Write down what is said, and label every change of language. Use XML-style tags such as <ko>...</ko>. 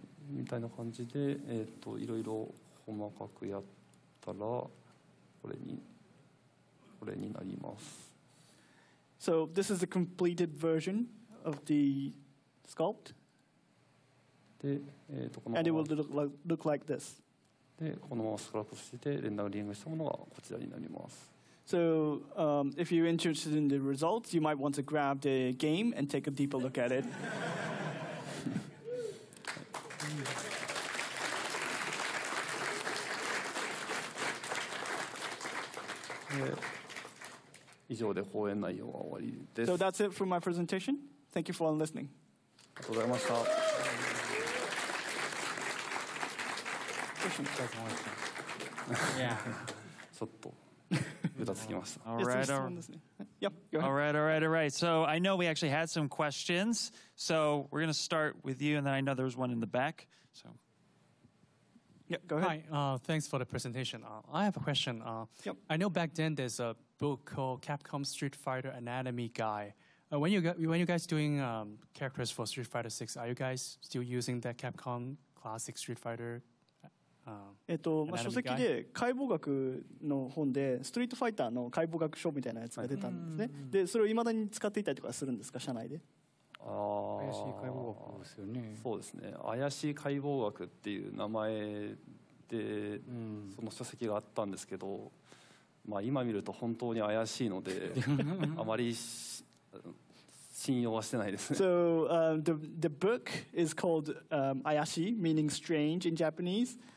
<ja>みたいな感じで、いろいろ細かくやったらこれになります。</ja> <en>So this is a completed version of the sculpt.</en> <ja>で、このまま</ja> <en>And it will look like this.</en> <ja>で、このままスクラップしてレンダリングしたものがこちらになります。</ja> <en>So, if you're interested in the results, you might want to grab the game and take a deeper look at it. So that's it for my presentation. Thank you for listening.</en> <ja>ありがとうございました。</ja> <en>Yeah.</en> <ja>ちょっと歌つきました。</ja> <en>All right. So I know we actually had some questions. So we're going to start with you, and then I know there's one in the back. So. Yeah, go ahead. Hi, thanks for the presentation. I have a question. I know back then there's a book called Capcom Street Fighter Anatomy Guy. When you guys doing characters for Street Fighter 6, are you guys still using that Capcom Classic Street Fighter</en> <ja>Anatomy Guy? 書籍で解剖学の本でストリートファイターの解剖学書みたいなやつが出たんですね。Mm-hmm. で、それを未だに使っていたりとかするんですか、社内で。怪しい解剖学ですよね。そうですね。怪しい解剖学っていう名前でその書籍があったんですけど、まあ今見ると本当に怪しいのであまり信用はしてないですね。</ja> <en>So, the book is called ayashi, meaning strange in Japanese.</en>